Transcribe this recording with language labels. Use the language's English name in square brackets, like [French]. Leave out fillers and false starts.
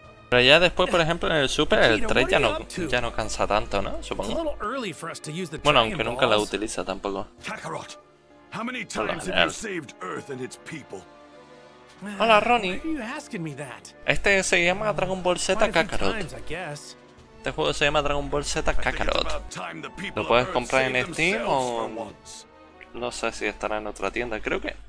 [Spanish] Pero ya después, por ejemplo, en el Super, el 3 ya no cansa tanto, ¿no? Supongo. Bueno, aunque nunca la utiliza tampoco. [English] Kakarot, how many times have you saved Earth and its people? [Spanish] Hola, Ronnie. Este se llama Dragon Ball Z Kakarot. Este juego se llama Dragon Ball Z Kakarot. Lo puedes comprar en Steam o... No sé si estará en otra tienda, creo que...